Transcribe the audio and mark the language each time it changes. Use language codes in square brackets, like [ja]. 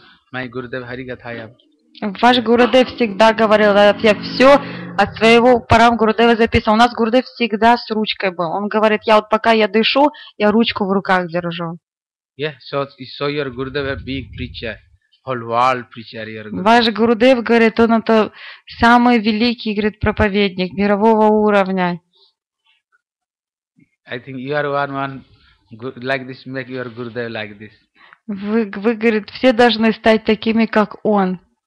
[ru] Ваш Гурудев всегда говорил, я все от своего парам Гурудева записывал. У нас Гурудев всегда с ручкой был. Он говорит, я вот пока я дышу, я ручку в руках держу. Ваш Гурудев говорит, он это самый великий, говорит, проповедник мирового уровня. [en] I think you are one like this, make your Gurudev like this. [ru] Вы говорит, все должны стать такими, как он.